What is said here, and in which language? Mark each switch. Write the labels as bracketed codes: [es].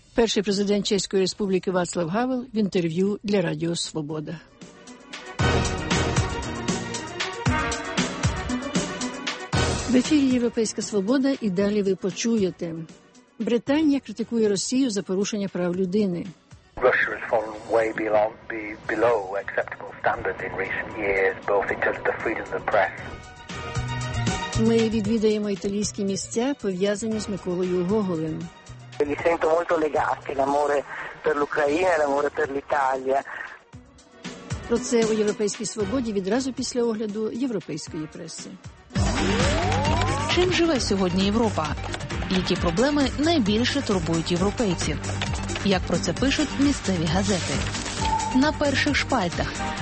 [uk] Перший президент Чеської Республіки Вацлав Гавел в інтерв'ю для Радіо Свобода. В ефірі «Європейська свобода» і далі ви почуєте. Британія критикує Росію за порушення прав людини. [en] Russia has fallen way below acceptable standard in recent years, both in terms of the freedom of the press. [uk] Ми відвідаємо італійські місця, пов'язані з Миколою Гоголем. [it] Li sento molto legati, l'amore per l'Ucraina e l'amore per l'Italia. [uk] Про це у Європейській свободі відразу після огляду європейської преси. Чим живе сьогодні Європа? Які проблеми найбільше турбують європейців? Як про це пишуть місцеві газети? На перших шпальтах.